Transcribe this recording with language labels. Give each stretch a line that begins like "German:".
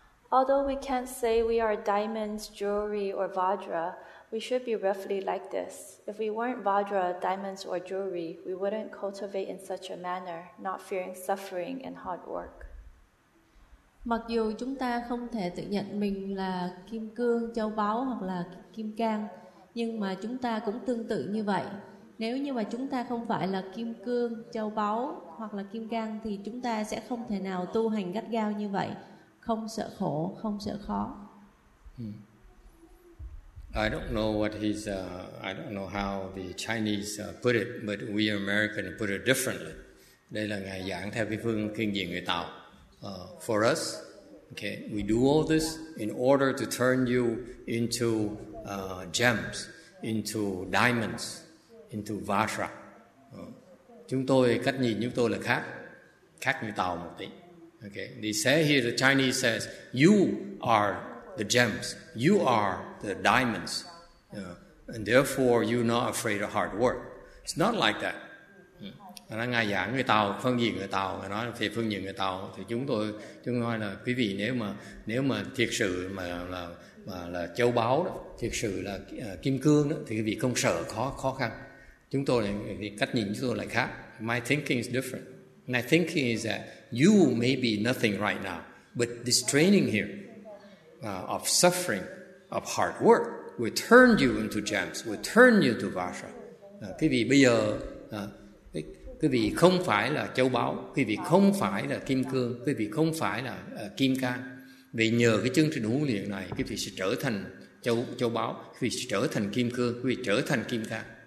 English: Although we can't say we are diamonds, jewelry, or Vajra, we should be roughly like this. If we weren't Vajra, diamonds, or jewelry, we wouldn't cultivate in such a manner, not fearing suffering and hard work.
Vietnamese: Mặc dù chúng ta không thể tự nhận mình là kim cương, châu báu hoặc là kim cang, nhưng mà chúng ta cũng tương tự như vậy. Nếu như mà chúng ta không phải là kim cương, châu báu hoặc là kim cang thì chúng ta sẽ không thể nào tu hành gắt gao như vậy, không sợ khổ, không sợ khó.
English: I don't know what he's I don't know how the Chinese put it, but we American put it differently.
Vietnamese: Đây là ngài giảng theo cái phương kinh điển người Tàu.
English: For us, okay, we do all this in order to turn you into gems, into diamonds, into Vajra.
Vietnamese: Chúng tôi cách nhìn chúng tôi là khác, khác như Tàu một tí.
English: Okay, they say here the Chinese says you are the gems, you are the diamonds, And therefore, you're not afraid of hard work. It's not like that.
Vietnamese: Và nó ngài giảng người tàu, phân diện người tàu, người nói về phân diện người tàu. Thì chúng tôi là quý vị nếu mà thiệt sự mà là châu báu đó, thiệt sự là kim cương đó, thì quý vị không sợ khó khăn. Chúng tôi thì cách nhìn chúng tôi lại khác.
English: My thinking is different. My thinking is that you may be nothing right now, but this training here of suffering, of hard work, will turn you into gems, will turn you to Vasa.
Vietnamese: Quý vị bây giờ, quý vị không phải là châu báu, quý vị không phải là kim cương, quý vị không phải là kim cang. Vì nhờ cái chương trình huấn luyện này, quý vị sẽ trở thành châu báu, quý vị sẽ trở thành kim cương, quý vị trở thành kim cang.